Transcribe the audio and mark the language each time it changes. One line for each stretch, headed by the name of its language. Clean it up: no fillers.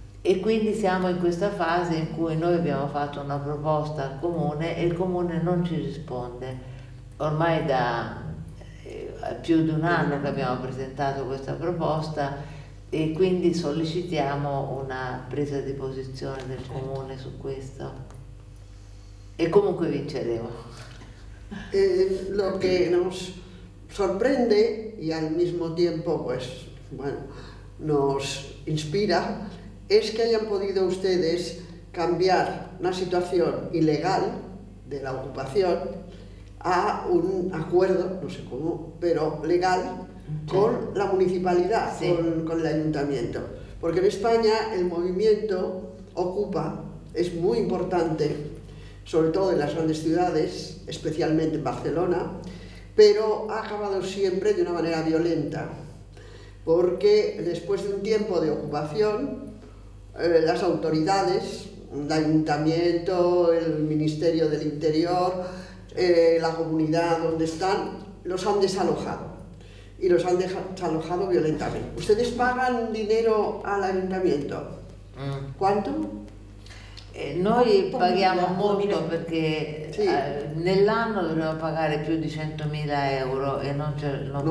Italian: E quindi siamo in questa fase in cui noi abbiamo fatto una proposta al Comune e il Comune non ci risponde. Ormai da più di un anno che abbiamo presentato questa proposta, e quindi sollecitiamo una presa di posizione del Comune su questo, e comunque vinceremo.
Spanish: Lo che nos sorprende e al mismo tempo pues, bueno, nos inspira es que hayan podido ustedes cambiar una situación ilegal de la ocupación a un acuerdo, no sé cómo, pero legal, con la municipalidad, sí, con el ayuntamiento. Porque en España el movimiento ocupa, es muy importante, sobre todo en las grandes ciudades, especialmente en Barcelona, pero ha acabado siempre de una manera violenta, porque después de un tiempo de ocupación, las autoridades, el ayuntamiento, el Ministerio del Interior, la comunidad donde están, los han desalojado. Y los han desalojado violentamente. ¿Ustedes pagan dinero al ayuntamiento? ¿Cuánto?
Italian: Noi paghiamo molto perché sì, nell'anno dobbiamo pagare più di 100.000 euro e non c'è.